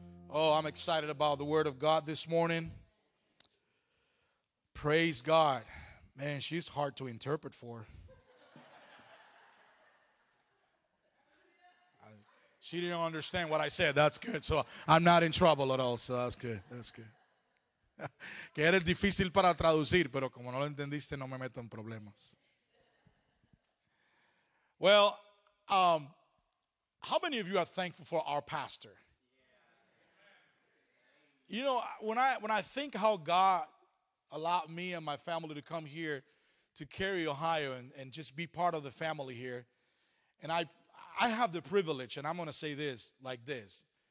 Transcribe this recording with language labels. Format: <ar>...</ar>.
<en>Oh, I'm excited about the word of God this morning. Praise God. Man, she's hard to interpret for. She didn't understand what I said. That's good. So I'm not in trouble at all. So that's good. That's good.</en> <es>Que eres difícil para traducir, pero como no lo entendiste, no me meto en problemas.</es> <en>Well, how many of you are thankful for our pastor? You know, when I think how God allowed me and my family to come here to Cary, Ohio, and just be part of the family here, and I have the privilege, and I'm going to say this like this.</en>